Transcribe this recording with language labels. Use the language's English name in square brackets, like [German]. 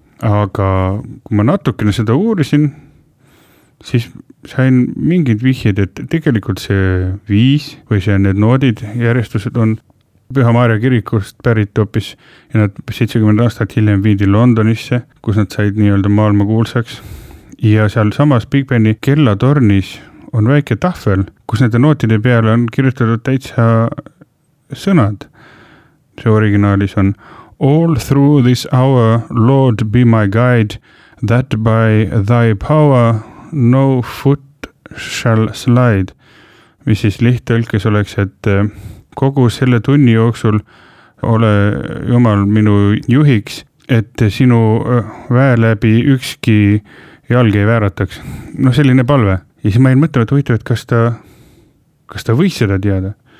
[Estonian] Aga kui ma natukene seda uurisin, siis sain mingid vihjed, et tegelikult see viis või see need noodid järjestused on Püha Maarja kirikust pärit hoopis ja nad 70 aastat hiljem viidi Londonisse, kus nad said nii-öelda maailma kuulsaks. Ja seal samas Big Beni kellatornis on väike tahvel, kus nende nootide peale on kirjutatud täitsa sõnad. see originaalis on [English] All through this hour, Lord, be my guide, that by thy power no foot shall slide. [Estonian] Mis siis lihttõlkes oleks, et kogu selle tunni jooksul ole Jumal minu juhiks, et sinu väe läbi ükski jalg ei väärataks. No selline palve. Ja siis ma ei mõtle, et huvitav, et kas ta võis seda teada.